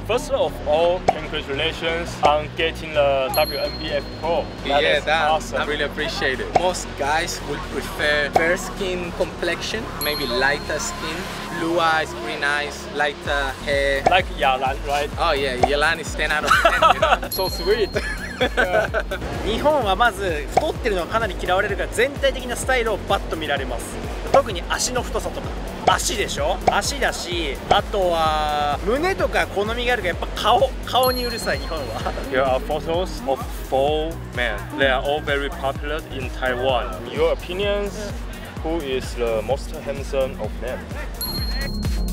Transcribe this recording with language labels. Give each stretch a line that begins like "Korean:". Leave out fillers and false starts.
English: First of all, congratulations on getting the WNBF Pro. That is awesome. I really appreciate it. Most guys would prefer fair skin complexion, maybe lighter skin. Blue eyes, green eyes, lighter hair. Like Yalan, right? Oh yeah, Yalan is 10 out of 10, you know? So sweet.
Japanese: Yeah. 日本はまず太ってるのはかなり嫌われるが全体的なスタイルをバッと見られます特に足の太さとか足でしょ足だしあとは胸とか好みがあるがやっぱ顔にうるさい日本は
English: There are photos of four men They are all very popular in Taiwan Your opinions Who is the most handsome of them?